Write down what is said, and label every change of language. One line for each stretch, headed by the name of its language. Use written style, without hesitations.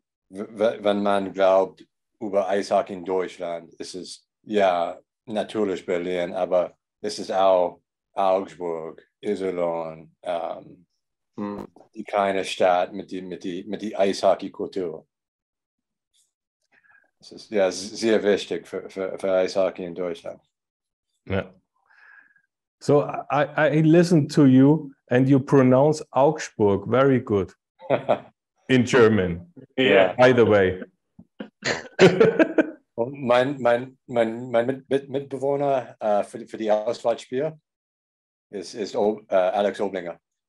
German: wenn man glaubt über Eishockey in Deutschland, es ist ja natürlich Berlin, aber es ist auch Augsburg, Iserlohn, die kleine Stadt mit die Eishockey-Kultur. Das ist ja sehr wichtig für Eishockey in Deutschland. Ja.
English: So I listen to you and you pronounce Augsburg very good in German. Yeah. By the way.
German: mein Mitbewohner für die Auswahlspiele ist Alex Oblinger.